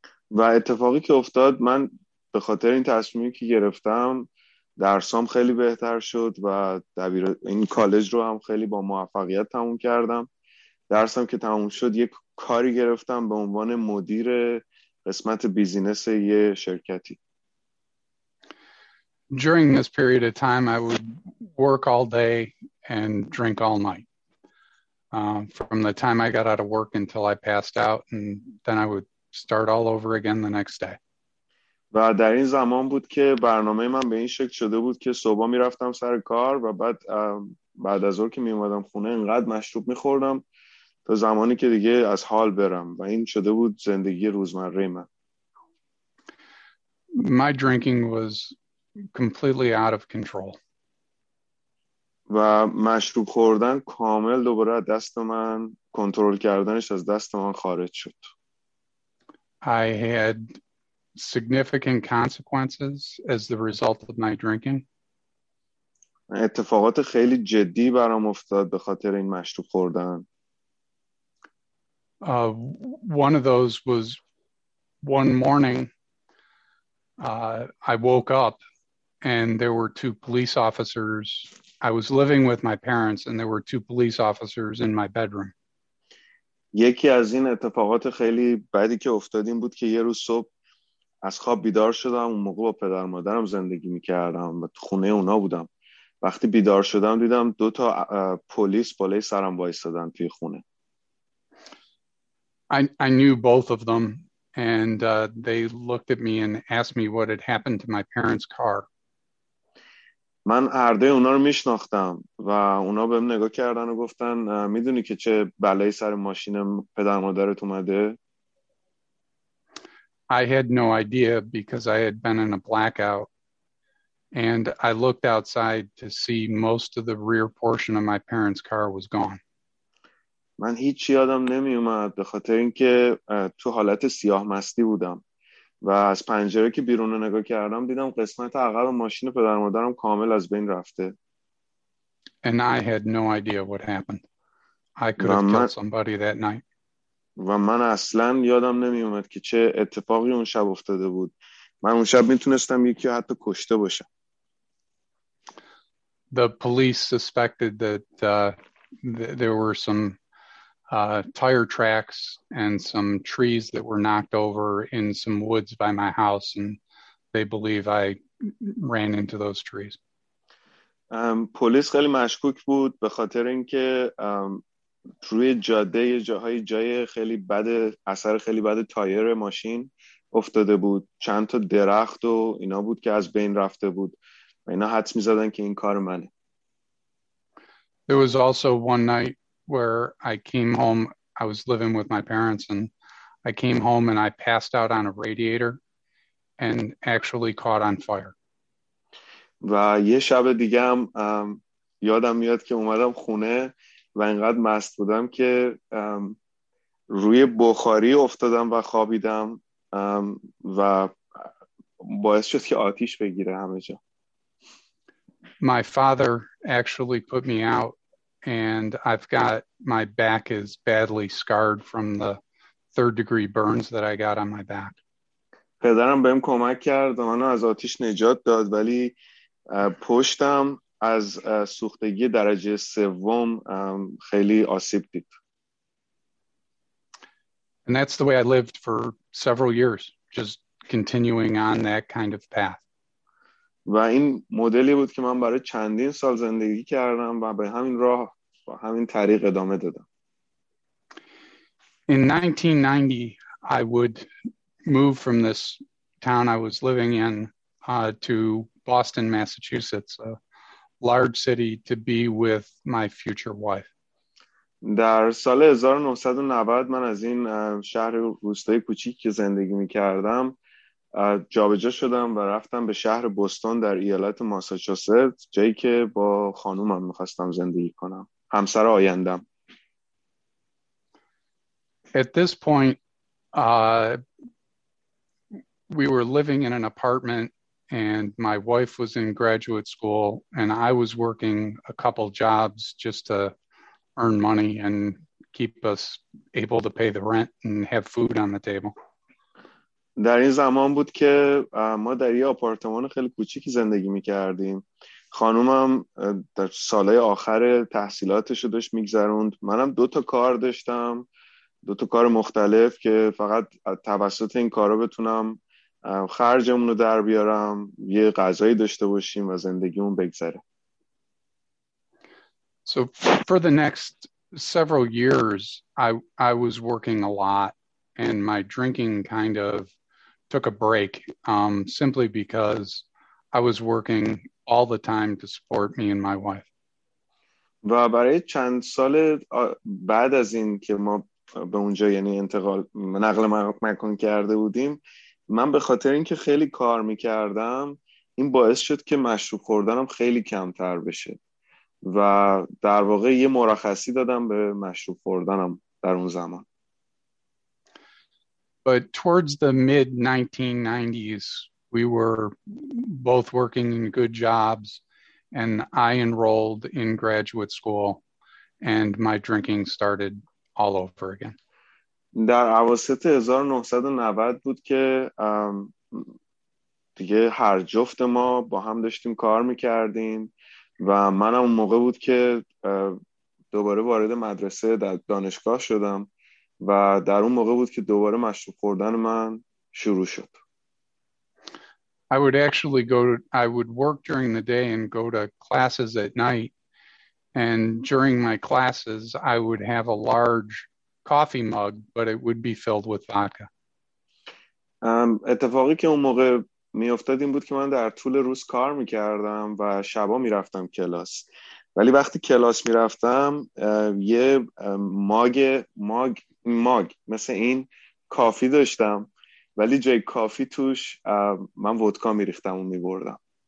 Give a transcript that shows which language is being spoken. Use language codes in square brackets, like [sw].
[fa] و اتفاقی که افتاد، من به خاطر این تصمیمی که گرفتم درسام خیلی بهتر شد و دبیر این کالج رو هم خیلی با موفقیت تموم کردم. درسم که تموم شد، یک کاری گرفتم به عنوان مدیر قسمت بیزینس یه شرکتی. [en] During this period of time, I would work all day and drink all night. From the time I got out of work until I passed out, and then I would start all over again the next day. [fa] و در این زمان بود که برنامه من به این شکل شده بود که صبح میرفتم سر کار و بعد از ظهر که میومدم خونه انقدر مشروب میخوردم تا زمانی که دیگه از حال برم و این شده بود زندگی روزمره من. [en] My drinking was completely out of control. [fa] و مشروب خوردن کامل دوباره دست من کنترل کردنش از دست من خارج شد. [en] I had significant consequences as the result of my drinking. [fa] اتفاقات خیلی جدی برام افتاد به خاطر این مشروب خوردن. [en] One of those was one morning I woke up and there were two police officers. I was living with my parents and there were two police officers in my bedroom. [fa] یکی از این اتفاقات خیلی بدی که افتاد این بود که یه روز صبح از خواب بیدار شدم، اون موقع با پدر مادرم زندگی می‌کردم و تو خونه اونا بودم. وقتی بیدار شدم دیدم دو تا پلیس بالای سرم وایسادن توی خونه. [en] I knew both of them and they looked at me and asked me what had happened to my parents' car. [fa] من هر دوی اونا رو میشناختم و اونا بهم نگاه کردن و گفتن میدونی که چه بلایی سر ماشین پدر مادرت اومده؟ [en] I had no idea because I had been in a blackout and I looked outside to see most of the rear portion of my parents' car was gone. [fa] من هیچی یادم نمی اومد به خاطر اینکه تو حالت سیاه مستی بودم و از پنجره که بیرون رو نگاه کردم دیدم قسمت عقب ماشین پدر مادرم کامل از بین رفته. [en] And I had no idea what happened. I could have killed somebody that night. [fa] و من اصلا یادم نمی اومد که چه اتفاقی اون شب افتاده بود. من اون شب میتونستم یکی رو حتی کشته باشم. [en] The police suspected that there were some tire tracks and some trees that were knocked over in some woods by my house, and they believe I ran into those trees. [fa] پلیس خیلی مشکوک بود به خاطر اینکه روی جاده جاهای جای خیلی بد اثر خیلی بد تایر ماشین افتاده بود چند تا درخت و اینا بود که از بین رفته بود و اینا حدس می‌زدن که این کار منه. [en] There was also one night where I came home. I was living with my parents, and I came home and I passed out on a radiator and actually caught on fire. [fa] و یه شب دیگه هم یادم میاد که اومدم خونه و اینقدر مست بودم که روی بخاری افتادم و خوابیدم و باعث شد که آتیش بگیره همه جا. [en] My father actually put me out, and I've got my back is badly scarred from the third degree burns that I got on my back. [fa] پدرم بهم کمک کرد و منو از آتیش نجات داد ولی پشتم از سوختگی درجه سوم خیلی آسیب دید. [en] And that's the way I lived for several years, just continuing on that kind of path. [fa] و این مدلی بود که من برای چندین سال زندگی کردم و به همین راه و همین طریق ادامه دادم. [en] In 1990, I would move from this town I was living in to Boston, Massachusetts, a large city, to be with my future wife. [fa] در سال 1990 من از این شهر روستای کوچیک که زندگی می‌کردم جابجا شدم و رفتم به شهر بوستون در ایالت ماساچوست جایی که با خانومم می‌خواستم زندگی کنم همسر آیندم. [en] At this point we were living in an apartment, and my wife was in graduate school, and I was working a couple jobs just to earn money and keep us able to pay the rent and have food on the table. [fa] در این زمان بود که ما در یه آپارتمان خیلی کوچیکی زندگی می‌کردیم. خانومم در سال‌های آخر تحصیلاتش رو داشت می‌گذروند. منم دو تا کار داشتم. دو تا کار مختلف که فقط توسط این کارا بتونم خرجمون رو در بیارم یه غذایی داشته باشیم و زندگیمون بگذره. [en] So for the next several years I was working a lot, and my drinking kind of took a break simply because I was working all the time to support me and my wife. [fa] و برای چند سال بعد از این که ما به اونجا یعنی انتقال نقل مکان کرده بودیم من به خاطر اینکه خیلی کار میکردم این باعث شد که مشروب خوردنم خیلی کمتر بشه و در واقع یه مرخصی دادم به مشروب خوردنم در اون زمان. [en] But towards the mid-1990s we were both working in good jobs, and I enrolled in graduate school, and my drinking started all over again. [fa] در اواسط 1990 بود که دیگه هر جفت ما با هم داشتیم کار میکردیم و منم اون موقع بود که دوباره وارد مدرسه در دانشگاه شدم و در اون موقع بود که دوباره مشروب خوردن من شروع شد. [en] I would work during the day and go to classes at night, and during my classes I would have a large coffee mug, but it would be filled with vodka. [fa] اتفاقی که اون موقع میافتاد این بود که من در طول روز کار میکردم و شبا میرفتم کلاس. ولی وقتی کلاس میرفتم یه ماگ مثل این کافی داشتم ولی جای کافی توش من ودکا میریختم و میبردم.